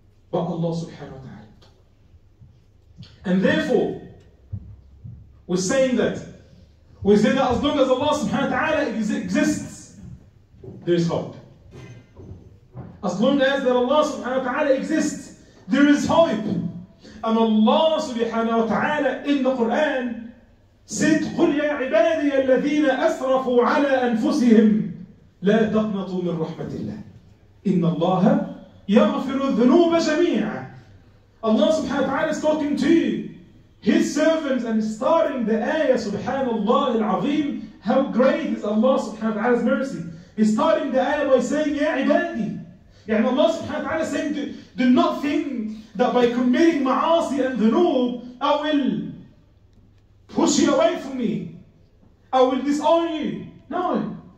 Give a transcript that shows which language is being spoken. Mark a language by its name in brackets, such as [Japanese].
[English] But Allah subhanahu wa ta'ala. And therefore, we're saying that, we say that as long as Allah subhanahu wa ta'ala exists, there is hope. As long as that Allah subhanahu wa ta'ala exists, there is hope. And Allah subhanahu wa ta'ala in the Quran said, [Arabic] قُلْ يَا عِبَادِيَ الَّذِينَ أَسْرَفُوا عَلَىٰ أَنفُسِهِمْ لَا تَقْنَطُوا مِنْ رَحْمَةِ اللَّهِ إِنَّ اللَّهَ يَغْفِرُ الذُّنُوبَ جَمِيعًا. [English] Allah subhanahu wa ta'ala is talking to you, his servants, and starting the ayah, subhanallah al-azim, how great is Allah subhanahu wa ta'ala's mercy. He's starting the ayah by saying, يَا عِبَادِي. Yani Allah subhanahu wa ta'ala is saying, do not think that by committing ma'asi and dhunub, I will push you away from me, I will disown you. No.